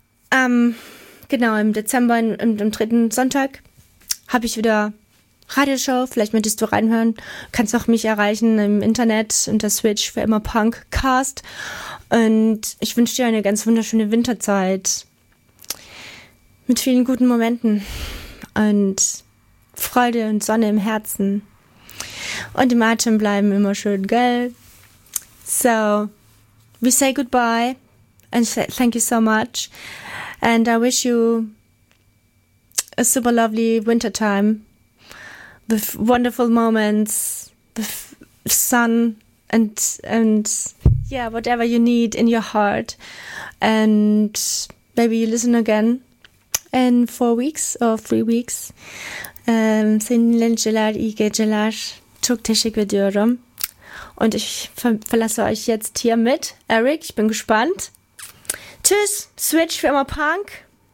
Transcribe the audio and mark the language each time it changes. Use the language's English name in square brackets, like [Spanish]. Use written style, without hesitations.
[German] Genau, im Dezember, im dritten Sonntag, habe ich wieder Radioshow, vielleicht möchtest du reinhören, kannst auch mich erreichen im Internet unter Switch für immer Punkcast. Und ich wünsche dir eine ganz wunderschöne Winterzeit mit vielen guten Momenten und Freude und Sonne im Herzen und im Atem bleiben immer schön, gell? [English] So, we say goodbye and thank you so much and I wish you a super lovely winter time. With wonderful moments, with sun and yeah, whatever you need in your heart. And maybe you listen again in 4 weeks or 3 weeks. Sinlen Gelar Ige Gelar Tuk Teshik Vidurum. [German] Und ich verlasse euch jetzt hier mit Eric. Ich bin gespannt. Tschüss, Switch für immer Punk.